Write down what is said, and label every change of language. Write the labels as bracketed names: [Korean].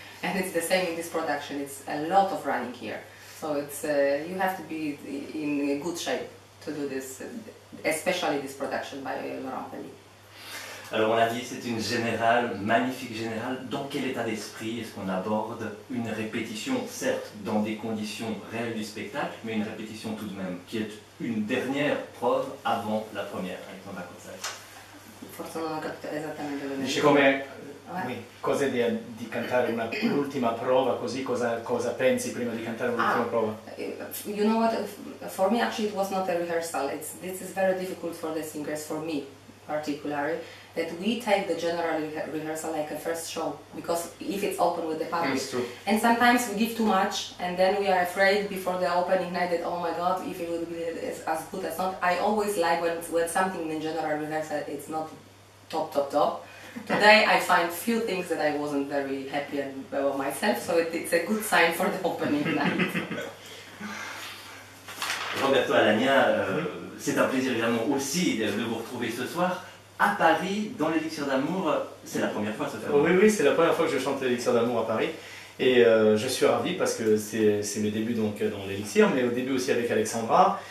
[English] And it's the same in this production. It's a lot of running here, so it's you have to be in good shape to do this, especially this production by Laurent Pelly. [French] Alors on l'a dit, c'est une générale, magnifique générale. Dans quel état d'esprit est-ce qu'on aborde une répétition, certes dans des conditions réelles du spectacle, mais une répétition tout de même, qui est une dernière preuve avant la première, avec un accordage. [Italian] Dice come cosa idea di cantare un'ultima prova, così cosa pensi prima di cantare un'ultima prova? [English] You know what, for me actually it was not a rehearsal. This is very difficult for the singers, for me particularly, that we take the general rehearsal like a first show, because if it's open with the public, and sometimes we give too much and then we are afraid before the opening night that, oh my god, if it will be as good as not. I always like when something in general rehearsal is not top. Today I find few things that I wasn't very happy about myself, so it's a good sign for the opening night. [French] Roberto Alagna, c'est un plaisir évidemment aussi de vous retrouver ce soir. À Paris, dans l'élixir d'amour, c'est la première fois, ça fait. Oui, c'est la première fois que je chante l'élixir d'amour à Paris. Et je suis ravi parce que c'est mes débuts donc dans l'élixir, mais au début aussi avec Alexandra.